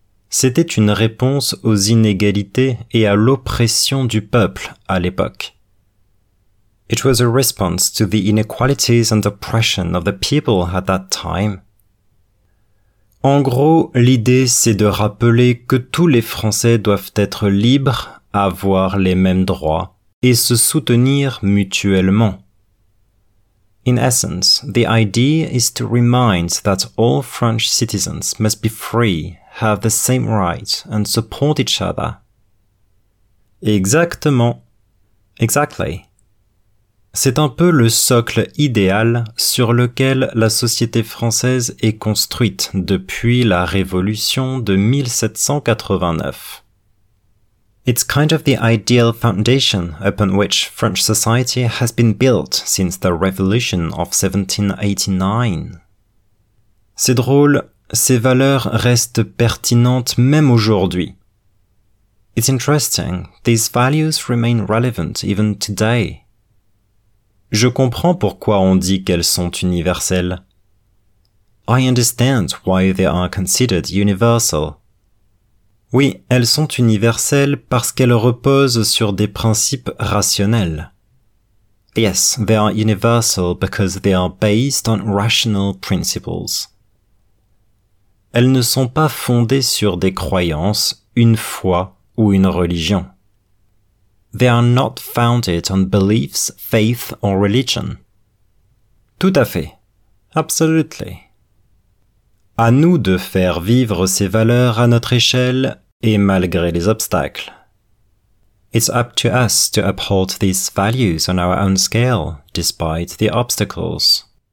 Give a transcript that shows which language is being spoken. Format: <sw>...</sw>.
<fr>C'était une réponse aux inégalités et à l'oppression du peuple à l'époque.</fr> <en>It was a response to the inequalities and oppression of the people at that time.</en> <fr>En gros, l'idée c'est de rappeler que tous les Français doivent être libres, avoir les mêmes droits et se soutenir mutuellement.</fr> <en>In essence, the idea is to remind that all French citizens must be free, have the same rights and support each other.</en> <fr>Exactement.</fr> <en>Exactly.</en> <fr>C'est un peu le socle idéal sur lequel la société française est construite depuis la Révolution de 1789.</fr> <en>It's kind of the ideal foundation upon which French society has been built since the Revolution of 1789.</en> <fr>C'est drôle, ces valeurs restent pertinentes même aujourd'hui.</fr> <en>It's interesting, these values remain relevant even today.</en> <fr>Je comprends pourquoi on dit qu'elles sont universelles.</fr> <en>I understand why they are considered universal.</en> <fr>Oui, elles sont universelles parce qu'elles reposent sur des principes rationnels.</fr> <en>Yes, they are universal because they are based on rational principles.</en> <fr>Elles ne sont pas fondées sur des croyances, une foi ou une religion.</fr> <en>They are not founded on beliefs, faith or religion.</en> <fr>Tout à fait.</fr> <en>Absolutely.</en> <fr>À nous de faire vivre ces valeurs à notre échelle et malgré les obstacles.</fr> <en>It's up to us to uphold these values on our own scale, despite the obstacles.</en>